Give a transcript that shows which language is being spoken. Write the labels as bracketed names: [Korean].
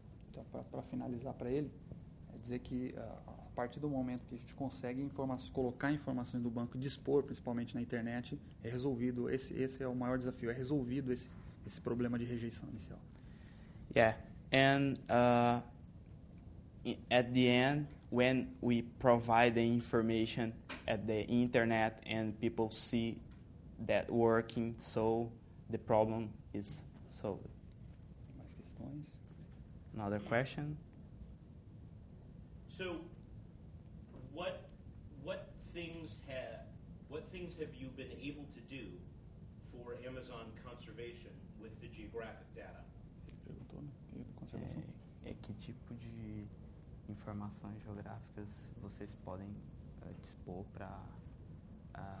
[Portuguese] Então, para finalizar para ele, dizer que a partir do momento que a gente consegue colocar informações do banco e dispor, principalmente na internet, é resolvido, esse é o maior desafio, é resolvido esse problema de rejeição inicial. [English] Yeah, and at the end, when we provide the information at the internet and people see that working, so the problem is solved. [Portuguese] Mais questões? [English] Another question? So, what things have you been able to do for Amazon conservation with the geographic data? [Portuguese] Perguntou, né? Conservação. Que tipo de informações geográficas vocês podem dispor para